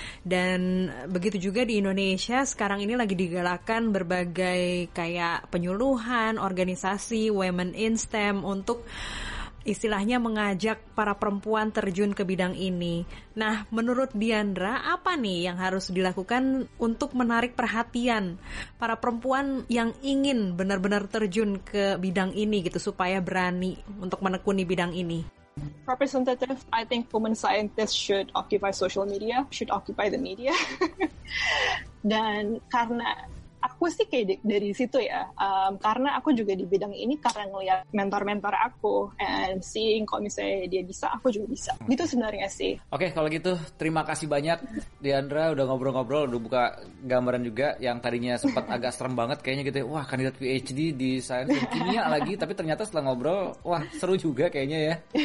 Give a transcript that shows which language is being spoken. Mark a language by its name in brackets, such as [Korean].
[Indonesian] Dan begitu juga di Indonesia, sekarang ini lagi digalakkan berbagai kayak penyuluhan, organisasi, women in STEM untuk istilahnya mengajak para perempuan terjun ke bidang ini. Nah, menurut Diandra, apa nih yang harus dilakukan untuk menarik perhatian para perempuan yang ingin benar-benar terjun ke bidang ini gitu, supaya berani untuk menekuni bidang ini? [English] Representative, I think women scientists should occupy social media, should occupy the media. [Indonesian] Dan karena aku sih kayak dari situ ya, karena aku juga di bidang ini karena ngeliat mentor-mentor aku [English] and seeing [Indonesian] kalau misalnya dia bisa, aku juga bisa. Gitu sebenarnya sih. Oke, kalau gitu terima kasih banyak Diandra udah ngobrol-ngobrol, udah buka gambaran juga yang tadinya sempat agak serem banget kayaknya gitu, wah kandidat PhD di sains dan kimia lagi, tapi ternyata setelah ngobrol, wah seru juga kayaknya ya.